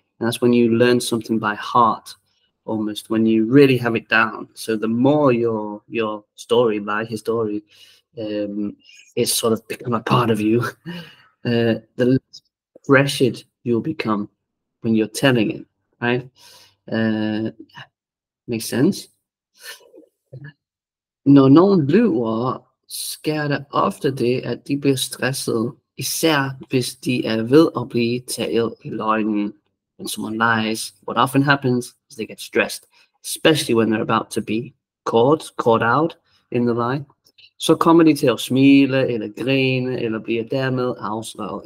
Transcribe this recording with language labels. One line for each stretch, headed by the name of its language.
English: And that's when you learn something by heart, almost, when you really have it down. So the more your story, my history, is sort of become a part of you, the less fresh it you'll become when you're telling it, right? Makes sense.
Danish: Når nogen lyver, sker det ofte det, at de bliver stresset, især hvis de er ved at blive taget i løgnen.
English: When someone lies, what often happens is they get stressed, especially when they're about to be caught out in the lie.
Danish: Så kommer de til at smile eller grine eller bliver dermed afsløret.